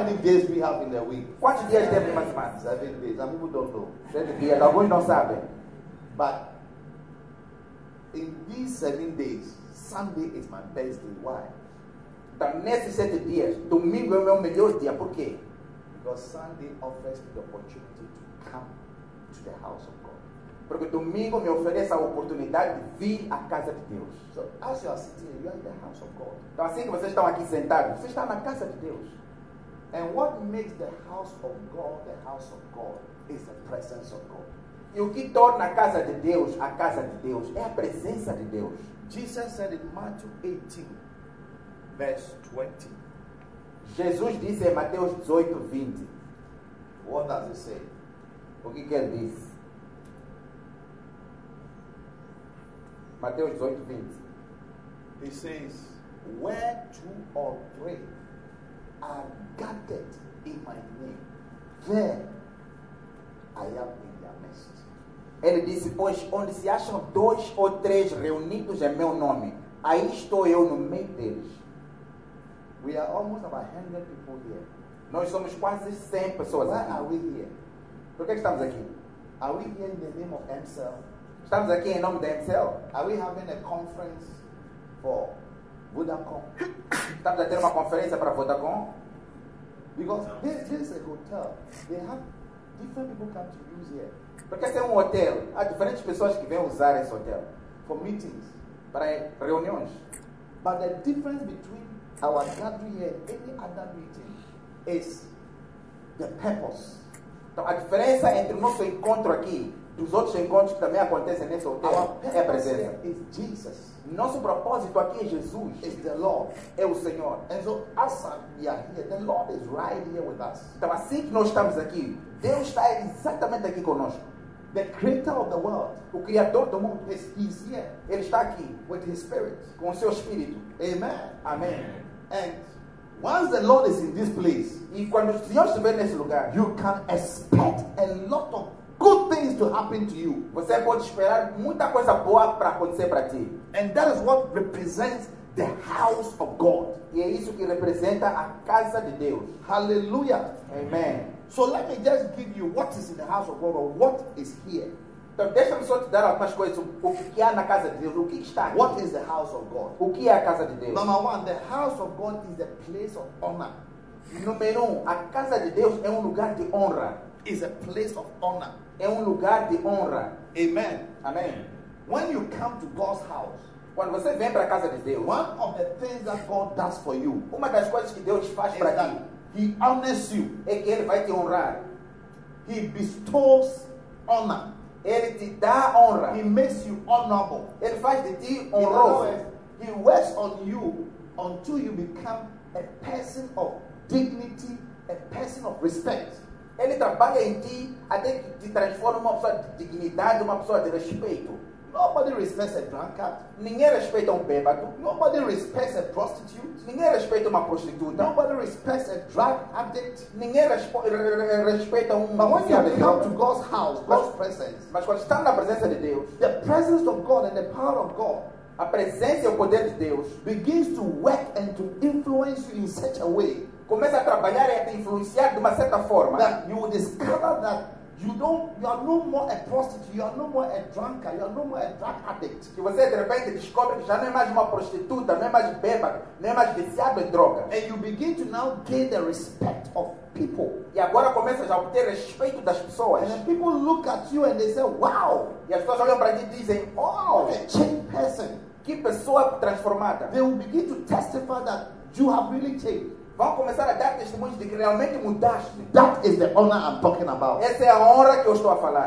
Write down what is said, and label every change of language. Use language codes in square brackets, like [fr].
[en] How many days we have in the week? [pt] Quantos dias temos numa semana? [en] 7 days. Some people don't know. [pt] 7 dias. Alguns não sabem. [en] But in these 7 days, Sunday is my best day. Why? [pt] Então, nesses 7 dias, domingo é o meu melhor dia. Por quê? [en] Because Sunday offers me the opportunity to come to the house of God. [pt] Porque domingo me oferece a oportunidade de vir à casa de Deus. [en] So, as you are sitting here, you are in the house of God. [pt] Então, assim que vocês estão aqui sentados, vocês estão na casa de Deus. [en] And what makes the house of God, is the presence of God. [pt] E o que torna a casa de Deus, é a presença de Deus. [en] Jesus said in Matthew 18, verse 20. [pt] Jesus disse em Mateus 18, 20. [en] What does he say? [pt] O que quer dizer? Mateus 18, 20. [en] He says, where two or three are gathered in my name, there I am in their midst. [pt] Ele disse, pois onde se acham dois ou três reunidos em meu nome, aí estou eu no meio deles. [en] We are almost about 100 people here. [pt] Nós somos quase 100 pessoas [en] Why [pt] aqui. [en] Are we here? [pt] Por que estamos aqui? [en] Are we here in the name of MCL? [pt] Estamos aqui em nome da MCL. [en] Are we having a conference for Vodacom? [pt] Estamos a ter uma conferência para Vodacom? [en] Because this is a hotel. They have different people come to use here. [pt] Porque esse é hotel. Há diferentes pessoas que vêm usar esse hotel. [en] For meetings. [pt] Para reuniões. [en] But the difference between our gathering here and any other meeting is the purpose. [pt] Então, a diferença entre o nosso encontro aqui dos outros encontros que também acontecem nesse hotel é a presença. [en] Is Jesus. [pt] Nosso propósito aqui é Jesus. [en] Is the Lord. [pt] É o Senhor. [en] And so, as we are here, the Lord is right here with us. [pt] Então, assim que nós estamos aqui, Deus está exatamente aqui conosco. [en] The creator of the world. [pt] O criador do mundo. [en] He is here. [pt] Ele está aqui. [en] With his spirit. [pt] Com o seu espírito. [en] Amen. [pt] Amen. [en] And once the Lord is in this place. [pt] E quando o Senhor estiver nesse lugar. [en] You can expect a lot of good things to happen to you. [pt] Você pode esperar muita coisa boa para acontecer para ti. [en] And that is what represents the house of God. [pt] E é isso que representa a casa de Deus. [en] Hallelujah. [pt] Amen. [en] So let me just give you what is in the house of God or what is here. [pt] Então deixa-me só te dar algumas coisas. O que há na casa de Deus? O que está aqui? [en] What is the house of God? [pt] O que é a casa de Deus? [en] Number one, the house of God is the place of honor. [pt] Número um, a casa de Deus é lugar de honra. [en] Is a place of honor. [pt] É lugar de honra. [en] Amen. [pt] Amen. [en] When you come to God's house, [pt] quando você vem para a casa de Deus, [en] one of the things that God does for you, [pt] uma das coisas que Deus faz para ti, [en] He honors you. [pt] É que ele vai te honrar. [en] He bestows honor. [pt] Ele te dá honra. [en] He makes you honorable. [pt] Ele faz de ti honroso. [en] He works on you until you become a person of dignity, a person of respect. [pt] Ele trabalha em ti até que te transforma uma pessoa de dignidade, uma pessoa de respeito. [en] Nobody respects a drunkard. [pt] Ninguém respeita bêbado. [en] Nobody respects a prostitute. [pt] Ninguém respeita prostituta. [en] Nobody respects a drug addict. [pt] Ninguém respeita [en] But when you come to God's house, God's presence, [pt] mas quando está na presença de Deus, [en] the presence of God and the power of God, [pt] a presença e o poder de Deus, [en] begins to work and to influence you in such a way, [pt] começa a trabalhar e a te influenciar de uma certa forma, [en] that you will discover that you are no more a prostitute, you are no more a drunkard, you are no more a drug addict. [pt] Que você de repente descobre que já não é mais uma prostituta, não é mais bêbado, não é mais viciado em droga. [en] And you begin to now gain the respect of people. [pt] E agora começa a obter respeito das pessoas. [en] And people look at you and they say, wow. [pt] E as pessoas olham para ti e dizem, oh, [en] what a changed person. [pt] Que pessoa transformada. [en] They will begin to testify that you have really changed. [pt] Vão começar a dar testemunhos de que realmente mudaste. [en] That is the honor I'm talking about. [pt] Essa é a honra que eu estou a falar.